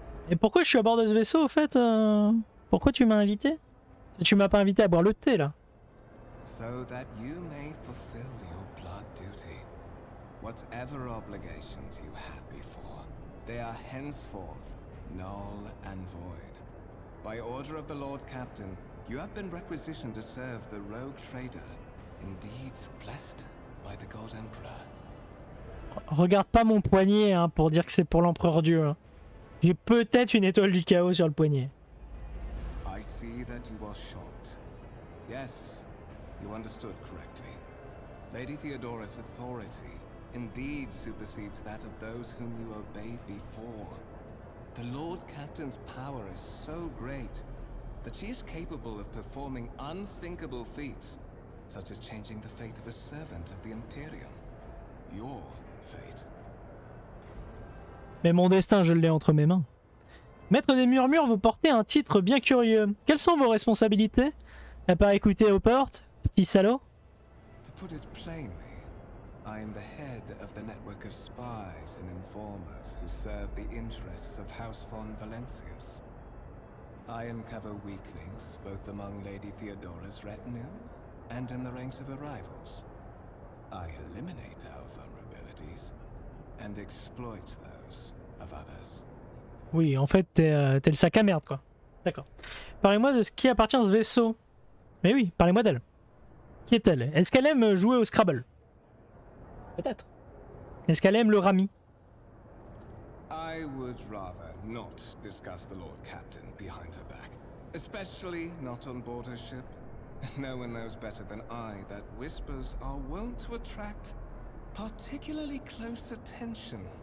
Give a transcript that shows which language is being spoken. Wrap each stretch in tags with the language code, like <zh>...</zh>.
<fr>Et pourquoi je suis à bord de ce vaisseau, au fait? Pourquoi tu m'as invité? Tu m'as pas invité à boire le thé, là.</fr> <en>So that you may fulfill your blood duty. Whatever obligations you had before, they are henceforth null and void. By order of the Lord Captain, you have been requisitioned to serve the rogue trader, indeed blessed by the God Emperor.</en> <fr>Regarde pas mon poignet, hein, pour dire que c'est pour l'Empereur Dieu. Hein. J'ai peut-être une étoile du chaos sur le poignet.</fr> <en>That you are shocked. Yes, you understood correctly. Lady Theodora's authority indeed supersedes that of those whom you obeyed before. The Lord Captain's power is so great that she is capable of performing unthinkable feats, such as changing the fate of a servant of the Imperium. Your fate.</en> <fr>Mais mon destin, je l'ai entre mes mains. Maître des Murmures, vous portez un titre bien curieux. Quelles sont vos responsabilités? À part écouter aux portes, petit salaud.</fr> <en>To put it plainly, I am the head of the network of spies and informers who serve the interests of House von Valencius. I uncover weaklings both among Lady Theodora's retinue and in the ranks of arrivals. I eliminate our vulnerabilities and exploit those of others.</en> <fr>Oui, en fait, t'es le sac à merde, quoi. D'accord. Parlez-moi de ce qui appartient à ce vaisseau. Mais oui, parlez-moi d'elle. Qui est-elle? Est-ce qu'elle aime jouer au Scrabble? Peut-être. Est-ce qu'elle aime le Rami?</fr> <en>I would rather not discuss the Lord Captain behind her back. Especially not on board her ship. No one knows better than I that whispers are wont to attract particularly close attention.</en>